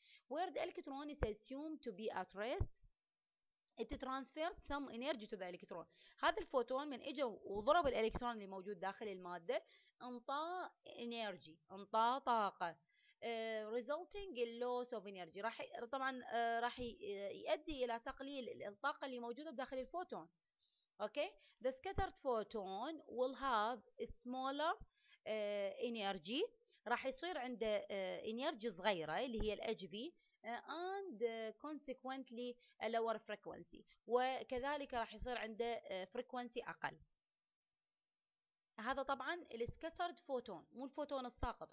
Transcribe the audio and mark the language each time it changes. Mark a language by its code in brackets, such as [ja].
[en] Where the electron is assumed to be at rest it transfers some energy to the electron. [ar] هذا الفوتون من اجى وضرب الالكترون اللي موجود داخل المادة انطاه energy انطاه طاقة [en] resulting in loss of energy [ar] راح طبعا راح يؤدي الى تقليل الطاقة اللي موجودة داخل الفوتون. [en] Okay, the scattered photon will have a smaller energy. [ar] راح يصير عنده energy صغيرة اللي هي ال HV [en] and consequently a lower frequency. [ar] وكذلك راح يصير عنده frequency أقل. هذا طبعا ال scattered photon مو الفوتون الساقط.